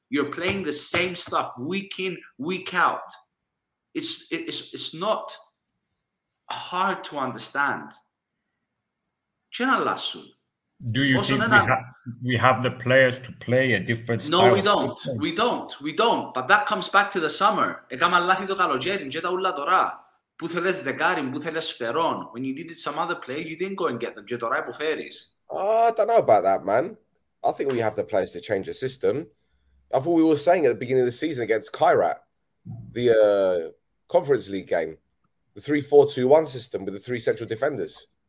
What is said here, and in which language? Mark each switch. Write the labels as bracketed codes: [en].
[en] You're playing the same stuff week in, week out. It's not hard to understand. Do you think we have the players to play a different style? No, we don't. We don't. But that comes back to the summer. [el] Έκαμε λάθη το καλοκαίρι, και τα ούλα τώρα. Πού θέλες δεκάριν, πού θέλες φτερόν. [en] When you needed some other players, you didn't go and get them. [el] Και τώρα υποφέρεις. [en] I don't know about that, man. I think we have the players to change the system. I thought we were saying at the beginning of the season against Kairat, the Conference League game, the 3-4-2-1 system with the three central defenders.